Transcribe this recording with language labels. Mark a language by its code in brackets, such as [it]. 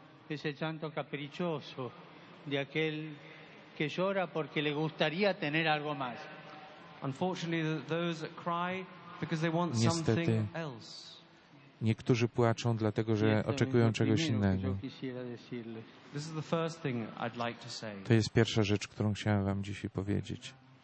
[es] Ese llanto caprichoso de aquel que llora porque le gustaría tener algo más. [en] Unfortunately, those that cry because they want something else. [pl] Niektórzy płaczą dlatego, że oczekują czegoś innego. [en] This is the first thing I'd like to say. [pl] To jest pierwsza rzecz, którą chciałem wam dzisiaj powiedzieć.